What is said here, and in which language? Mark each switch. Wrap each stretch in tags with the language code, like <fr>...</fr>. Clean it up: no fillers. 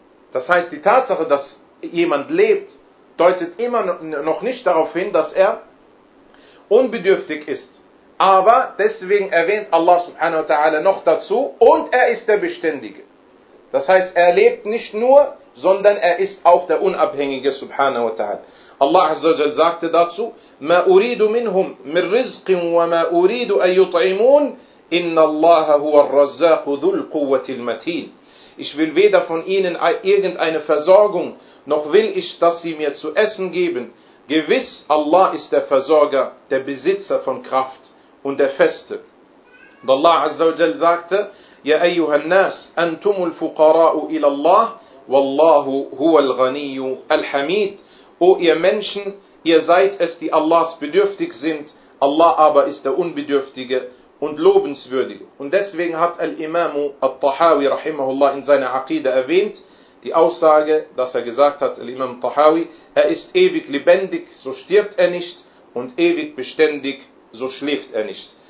<de>Das heißt, die Tatsache, dass jemand lebt, deutet immer noch nicht darauf hin, dass er unbedürftig ist. Aber deswegen erwähnt Allah subhanahu wa ta'ala noch dazu, und er ist der Beständige. Das heißt, er lebt nicht nur, sondern er ist auch der Unabhängige, subhanahu wa ta'ala. Allah azza wa jalla sagte dazu,</de> <ar>مَا أُرِيدُ مِنْهُمْ مِنْ رِزْقٍ وَمَا أُرِيدُ أَن يُطْعِمُونَ إِنَّ اللَّهَ هُوَ الرَّزَّاقُ ذُو الْقُوَّةِ الْمَتِينَ.</ar> <de>Ich will weder von ihnen irgendeine Versorgung, noch will ich, dass sie mir zu essen geben. Gewiss, Allah ist der Versorger, der Besitzer von Kraft und der Feste. Und Allah Azza wa Jal sagte,</de> <ar>يَا أَيُّهَا النَّاسِ أَنْتُمُ الْفُقَرَاءُ إِلَى اللَّهِ وَاللَّهُ هُوَ الْغَنِيُّ الْحَمِيدُ.</ar> <de>O ihr Menschen, ihr seid es, die Allahs bedürftig sind, Allah aber ist der Unbedürftige und Lobenswürdige. Und deswegen hat Al-Imam al-Tahawi rahimahullah in seiner Aqidah erwähnt, die Aussage, dass er gesagt hat, Al-Imam al-Tahawi, er ist ewig lebendig, so stirbt er nicht, und ewig beständig, so schläft er nicht.</de>